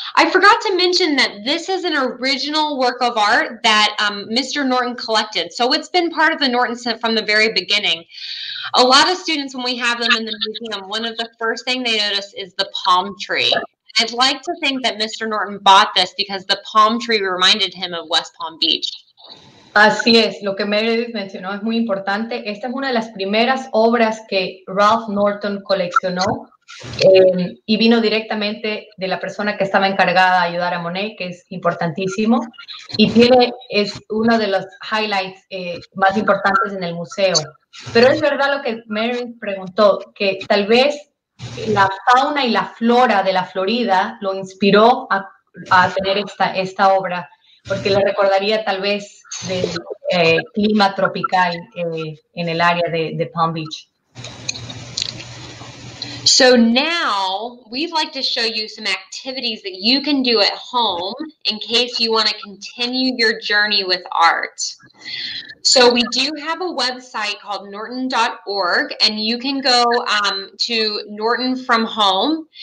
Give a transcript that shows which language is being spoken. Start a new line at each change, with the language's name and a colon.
English: I forgot to mention that this is an original work of art that Mr. Norton collected. So it's been part of the Norton Center from the very beginning. A lot of students, when we have them in the museum, one of the first thing they notice is the palm tree. I'd like to think that Mr. Norton bought this because the palm tree reminded him of West Palm Beach.
Spanish: Así es, lo que Meredith mencionó es muy importante. Esta es una de las primeras obras que Ralph Norton coleccionó y vino directamente de la persona que estaba encargada de ayudar a Monet, que es importantísimo. Y tiene, es uno de los highlights más importantes en el museo. Pero es verdad lo que Meredith preguntó, que tal vez la fauna y la flora de la Florida lo inspiró a tener esta obra, porque le recordaría tal vez del clima tropical en el área de Palm Beach.
English: So now we'd like to show you some activities that you can do at home in case you want to continue your journey with art. So we do have a website called norton.org, and you can go to Norton from home.